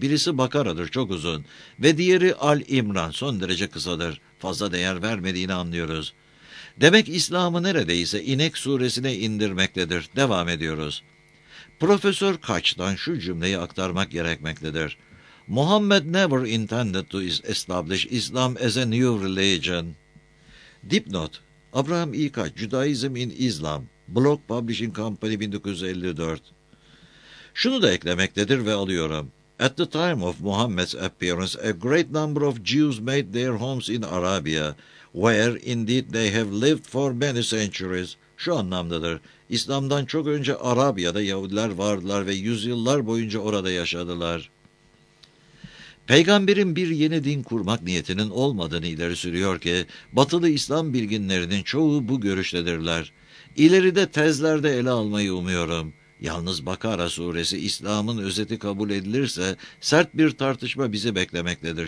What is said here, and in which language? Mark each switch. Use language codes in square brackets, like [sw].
[tr] Birisi Bakara'dır, çok uzun ve diğeri Al-İmran, son derece kısadır. Fazla değer vermediğini anlıyoruz. Demek İslam'ı neredeyse inek suresine indirmektedir. Devam ediyoruz. Profesör Kaç'tan şu cümleyi aktarmak gerekmektedir. [en] Muhammed never intended to establish Islam as a new religion. [tr] Dipnot: Abraham E. Kaç, [en] Judaism in Islam, Block Publishing Company [tr] 1954. Şunu da eklemektedir ve alıyorum. [en] At the time of Muhammad's appearance, a great number of Jews made their homes in Arabia, where indeed they have lived for many centuries. [tr] Şu anlamdadır. İslam'dan çok önce Arabya'da Yahudiler vardılar ve yüzyıllar boyunca orada yaşadılar. Peygamberin bir yeni din kurmak niyetinin olmadığını ileri sürüyor ki, batılı İslam bilginlerinin çoğu bu görüştedirler. İleride tezlerde ele almayı umuyorum. Yalnız Bakara suresi İslam'ın özeti kabul edilirse, sert bir tartışma bizi beklemektedir.